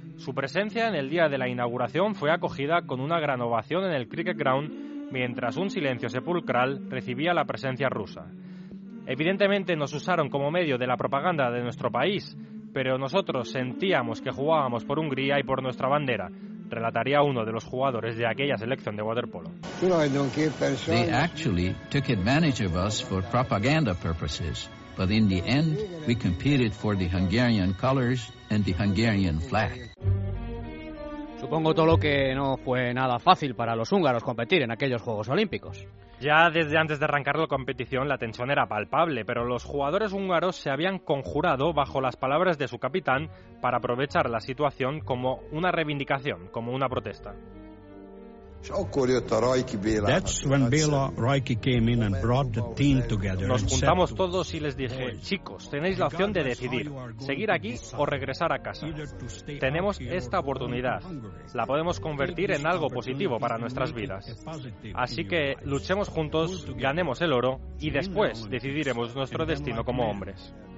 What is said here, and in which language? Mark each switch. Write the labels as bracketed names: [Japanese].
[Spanish] Su presencia en el día de la inauguración fue acogida con una gran ovación en el Cricket Ground, mientras un silencio sepulcral recibía la presencia rusa. Evidentemente nos usaron como medio de la propaganda de nuestro país, pero nosotros sentíamos que jugábamos por Hungría y por nuestra bandera, relataría uno de los jugadores de aquella selección de waterpolo. [English] They actually took advantage of us for propaganda purposes, but in the end, we competed for the Hungarian colors and the Hungarian flag. [Spanish] Supongo todo lo que no fue nada fácil para los húngaros competir en aquellos Juegos Olímpicos. Ya desde antes de arrancar la competición la tensión era palpable, pero los jugadores húngaros se habían conjurado bajo las palabras de su capitán para aprovechar la situación como una reivindicación, como una protesta. [English] That's when Béla Rajki came in and brought the team together. [Spanish] Nos juntamos todos y les dije: chicos, tenéis la opción de decidir, seguir aquí o regresar a casa. Tenemos esta oportunidad, la podemos convertir en algo positivo para nuestras vidas. Así que luchemos juntos, ganemos el oro y después decidiremos nuestro destino como hombres.